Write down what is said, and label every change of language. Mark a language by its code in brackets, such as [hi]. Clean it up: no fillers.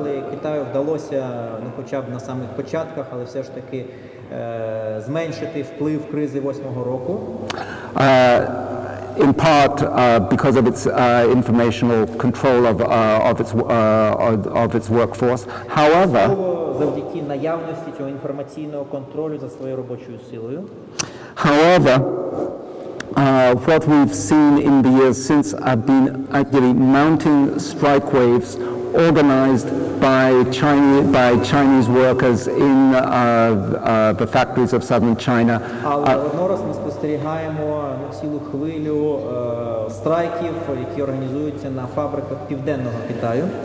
[uk] Китаю вдалося, хоча б на самих початках, але все ж таки зменшити вплив кризи восьмого року. [en] in part because of its informational control of its workforce. However, [uk] завдяки наявності цього інформаційного контролю за своєю робочою силою. [en] However, what we've seen in the years since have been actually mounting strike waves organized by Chinese workers in the factories of southern China. [uk] Однораз ми спостерігаємо цілу хвилю страйків, які організуються на фабриках Південного Китаю.